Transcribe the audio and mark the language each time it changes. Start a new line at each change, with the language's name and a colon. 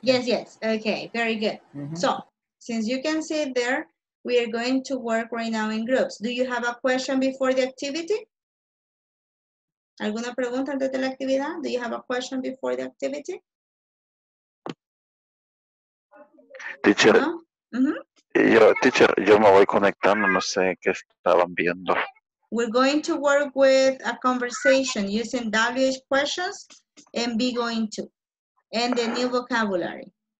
English: Yes, yes. Okay, very good. Mm-hmm. So, since you can see it there, we are going to work right now in groups. Do you have a question before the activity?
Spanish: ¿Alguna pregunta antes de la actividad?
English: Do you have a question before the activity? Teacher. Uh-huh.
Spanish: Yo, teacher, yo me voy conectando, no sé qué estaban viendo.
English: We're going to work with a conversation using WH questions and be going to, and the new vocabulary.